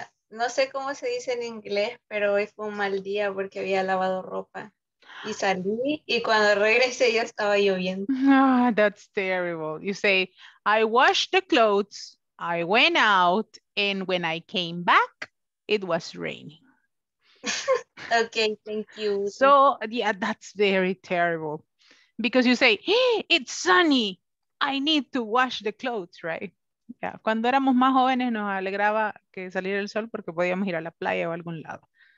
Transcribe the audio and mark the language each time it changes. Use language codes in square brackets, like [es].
[es] No sé cómo se dice en inglés, pero hoy fue un mal día porque había lavado ropa. Y salí, y cuando regresé ya estaba lloviendo. [en] Oh, that's terrible. You say, I washed the clothes, I went out, and when I came back, it was raining. Okay, thank you. So, yeah, that's very terrible. Because you say, hey, it's sunny, I need to wash the clothes, right? Yeah. [es] Cuando éramos más jóvenes nos alegraba que saliera el sol porque podíamos ir a la playa o a algún lado.